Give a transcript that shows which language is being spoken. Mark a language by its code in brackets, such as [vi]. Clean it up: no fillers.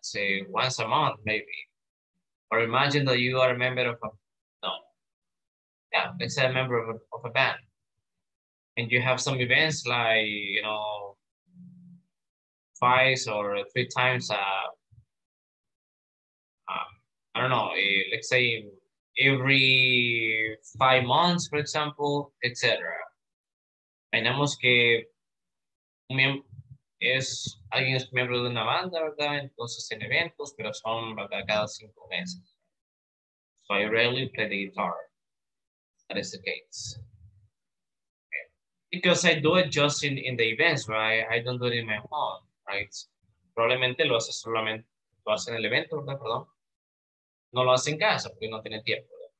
[en] Say once a month, maybe. Or imagine that you are a member of a band, and you have some events like, you know, twice or three times, I don't know, let's say every 5 months, for example, etc. [es] Tenemos que es alguien es miembro de una banda, ¿verdad? Entonces en eventos, pero son, ¿verdad? Cada 5 meses. [en] So I rarely play the guitar. That is the case. Because I do it just in the events, right? I don't do it in my home, right? [es] Probablemente lo hace solamente, lo hace en el evento, ¿verdad? Perdón. No lo hace en casa porque no tiene tiempo.